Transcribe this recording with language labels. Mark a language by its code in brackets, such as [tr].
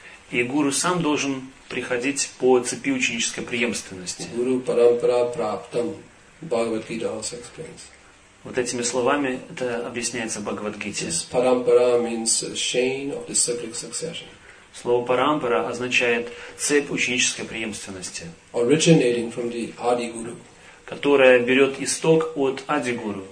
[ru] И гуру сам должен приходить по цепи ученической преемственности. [sa] Гуру парампара праптам Бхагавад-гита [en] also explains. [ru] Вот этими словами это объясняется в Бхагавадгите. [en] Parampara means chain of disciplic succession. [ru] Слово парампара означает цепь ученической преемственности, [en] originating from the Adi Guru, [ru] которая берет исток от Адигуру,